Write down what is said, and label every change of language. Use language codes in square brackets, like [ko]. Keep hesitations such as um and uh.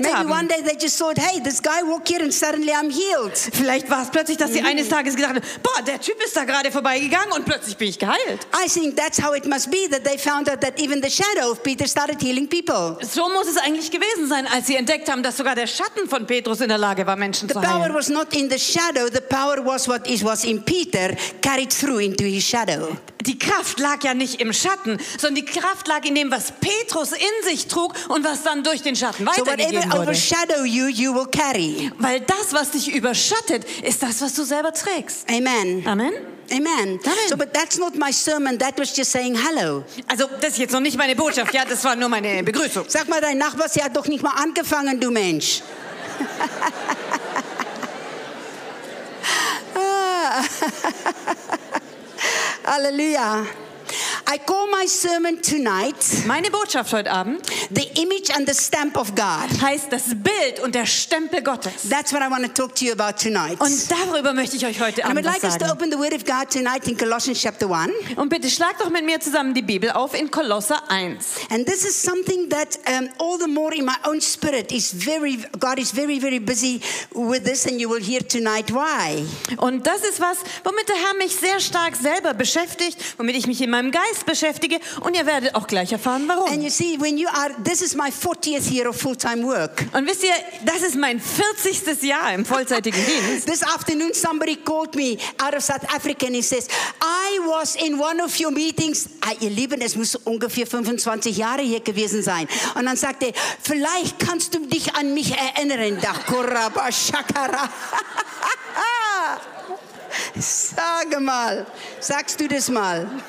[en] Maybe one [de] haben. [en] day they just thought, hey, this guy walked here and suddenly I'm healed. [de] Vielleicht war es plötzlich, dass sie eines Tages gedacht haben, boah, der Typ ist da gerade vorbeigegangen und plötzlich bin ich geheilt. [en] I think that's how it must be that they found out that even the shadow of Peter started healing people. [de] So muss es eigentlich gewesen sein, als sie entdeckt haben, dass sogar der Schatten von Petrus in der Lage war, Menschen [en] The [de] zu [en] power [de] heilen. [en] was not in the shadow, the power was what is was in Peter carried through into his shadow. [de] Die Kraft lag ja nicht im Schatten, sondern die Kraft lag in dem, was Petrus in sich trug und was dann durch den Schatten [en] So whatever [de] weitergegeben wurde. [en] overshadow you, you will carry. [de] Weil das, was dich überschattet, ist das, was du selber trägst. [en] Amen. [de] Amen. [en] Amen. [de] Amen. [en] So, but that's not my sermon. That was just saying hello. [de] Also das ist jetzt noch nicht meine Botschaft, ja, das war nur meine Begrüßung. Sag mal, dein Nachbar, sie hat doch nicht mal angefangen, du Mensch. Ah. [en] Hallelujah. I call my sermon tonight [de] Meine Botschaft heute Abend [en] the image and the stamp of God. [de] heißt das Bild und der Stempel Gottes. [en] That's what I want to talk to you about tonight. [de] Und darüber möchte ich euch heute [en] I would [de] Abend was [en] like us to [de] sagen. [en] open the Word of God tonight in Colossians chapter 1. [de] Und bitte schlag doch mit mir zusammen die Bibel auf in Kolosser 1. [en] And this is something that um, all the more in my own spirit is very, God is very, very busy with this, and you will hear tonight why. [de] Und das ist was, womit der Herr mich sehr stark selber beschäftigt, womit ich mich in meinem Geist Herz beschäftige und ihr werdet auch gleich erfahren, warum. [en] And you see, when you are, this is my 40th year of full time work. [de] Und wisst ihr, das ist mein 40. Jahr im vollzeitigen Dienst. [en] This afternoon, somebody called me out of South Africa and he says, I was in one of your meetings. [de] Ah, ihr Lieben, es muss ungefähr 25 Jahre hier gewesen sein. Und dann sagte er, vielleicht kannst du dich an mich erinnern. Da Kuraba Shakara. Sage mal, sagst du das mal?